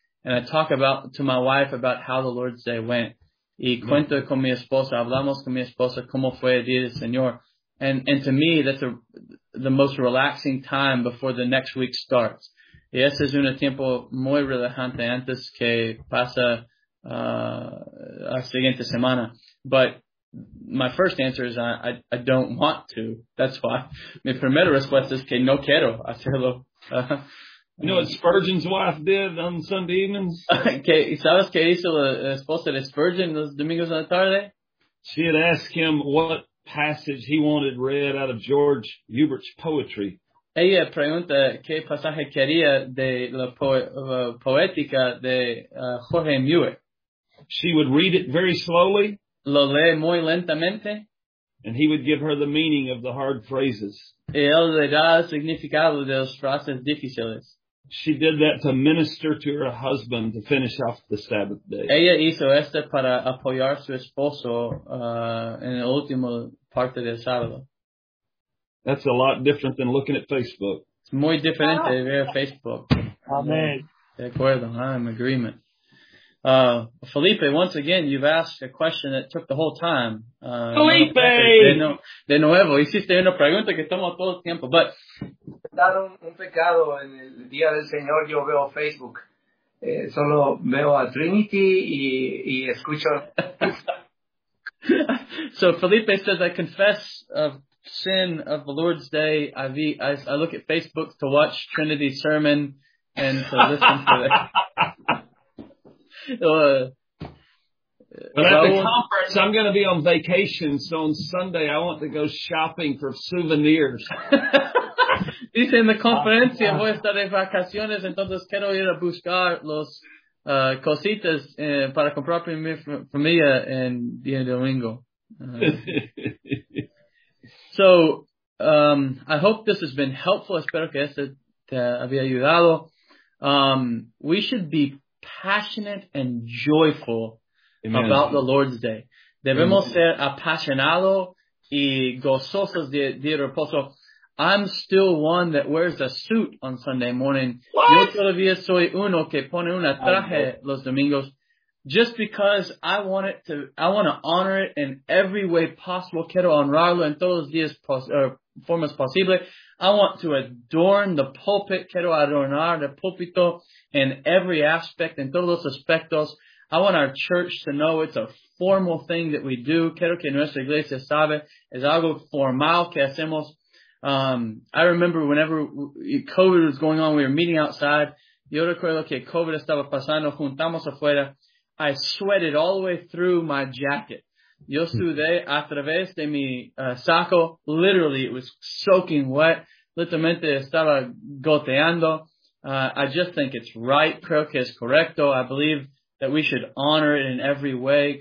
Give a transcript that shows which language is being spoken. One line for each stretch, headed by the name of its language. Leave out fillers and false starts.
English: And I talk to my wife about how the Lord's Day went.
Spanish: Y cuento con mi esposa, hablamos con mi esposa, cómo fue el día del Señor.
English: And to me, that's the most relaxing time before the next week starts.
Spanish: Y ese es un tiempo muy relajante antes que pasa la siguiente semana.
English: But my first answer is I don't want to. That's why.
Spanish: Mi primera respuesta es que no quiero hacerlo.
English: You know what Spurgeon's wife did on Sunday evenings?
Spanish: ¿Sabes qué hizo la esposa de Spurgeon los domingos en la tarde?
English: She had asked him what passage he wanted read out of George Hubert's poetry.
Spanish: Ella pregunta qué pasaje quería de la poética de Jorge Muir.
English: She would read it very slowly.
Spanish: Lo lee muy lentamente.
English: And he would give her the meaning of the hard phrases.
Spanish: Y él le da el significado de las frases difíciles.
English: She did that to minister to her husband to finish off the Sabbath day.
Spanish: Ella hizo esto para apoyar su esposo en la última parte del sábado.
English: That's a lot different than looking at Facebook.
Spanish: Es muy diferente de ver Facebook.
English: Amen.
Spanish: De acuerdo,
English: I'm agreement. Felipe, once again, you've asked a question that took the whole time. Felipe!
Spanish: De nuevo, hiciste una pregunta que tomó todo el tiempo,
English: but...
Spanish: Dar un pecado en el día del Señor, yo veo Facebook. Solo veo a Trinity y escucho...
English: So Felipe says, I confess of sin of the Lord's Day. I look at Facebook to watch Trinity's sermon and to listen to it. But at the conference, I'm going to be on vacation, so on Sunday I want to go shopping for souvenirs.
Spanish: Dice en la conferencia, voy a estar de vacaciones, entonces quiero ir a buscar los cositas para comprar para mi familia en día domingo.
English: So I hope this has been helpful.
Spanish: Espero que este te había ayudado.
English: We should be passionate and joyful. Amen. About the Lord's Day.
Spanish: Debemos ser apasionado y gozosos de reposo.
English: I'm still one that wears a suit on Sunday morning. What?
Spanish: Yo todavía soy uno que pone una traje los domingos.
English: Just because I want to honor it in every way possible.
Spanish: Quiero honrarlo en todos los días formas posibles.
English: I want to adorn the pulpit.
Spanish: Quiero adornar el púlpito
English: in every aspect,
Spanish: en todos los aspectos.
English: I want our church to know it's a formal thing that we do.
Spanish: Quiero que nuestra iglesia sabe es algo formal que hacemos.
English: I remember whenever COVID was going on, we were meeting outside.
Spanish: Yo recuerdo que COVID estaba pasando, juntamos afuera.
English: I sweated all the way through my jacket.
Spanish: Yo sudé a través de mi saco.
English: Literally, it was soaking wet.
Spanish: Literalmente estaba goteando.
English: I just think it's right.
Spanish: Creo que es correcto.
English: I believe that we should honor it in every way.